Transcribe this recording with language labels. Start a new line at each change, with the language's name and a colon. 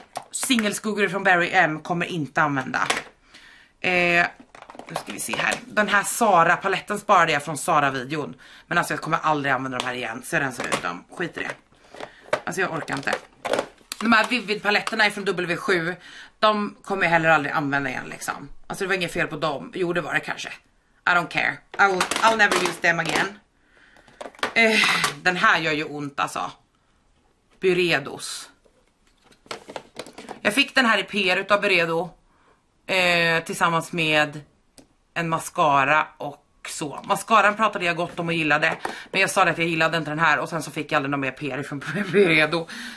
Swedish: Singelskuggor från Barry M kommer inte använda. Nu ska vi se här. Den här Sara-paletten sparade jag från Sara-videon. Men alltså jag kommer aldrig använda de här igen. Så jag rensar ut dem. Skit i det. Alltså jag orkar inte. De här Vivid-paletterna är från W7. De kommer jag heller aldrig använda igen liksom. Alltså det var inget fel på dem. Jo det var det kanske.
English: I don't care. I'll never use them again.
Swedish: Den här gör ju ont alltså. Byredos. Jag fick den här i PR utav Beredo tillsammans med en mascara och så. Mascaran pratade jag gott om och gillade, men jag sa att jag gillade inte den här och sen så fick jag aldrig någon mer PR från Beredo.